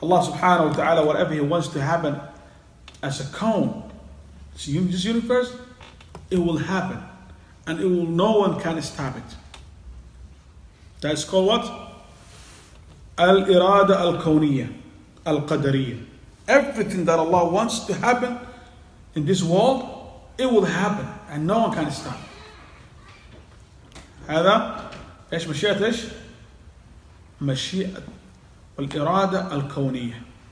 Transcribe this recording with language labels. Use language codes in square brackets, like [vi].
[ar] الله سبحانه وتعالى [en] whatever he wants to happen as a cone, this universe, it will happen and it will, no one can stop it. That is called what? [ar] الإرادة الكونية القدرية. [en] Everything that Allah wants to happen in this world, it will happen and no one can stop. [ar] هذا ايش مشيئة ايش مشيئة والإرادة الكونية.